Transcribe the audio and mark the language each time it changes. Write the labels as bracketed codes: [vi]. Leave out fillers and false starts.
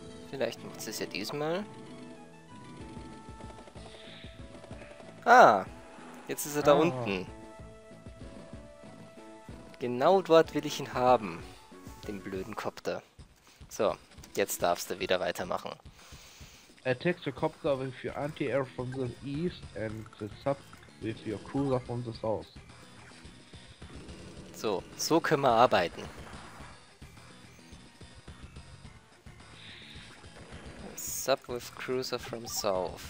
[de] Vielleicht macht sie es ja diesmal. Ah! Jetzt ist er da unten. Genau dort will ich ihn haben. Den blöden Copter. So, jetzt darfst du wieder weitermachen. [en] Attack the copter with your anti-air from the east and the sub with your cruiser from the south. [de] So, so können wir arbeiten. [en] Sub with cruiser from south.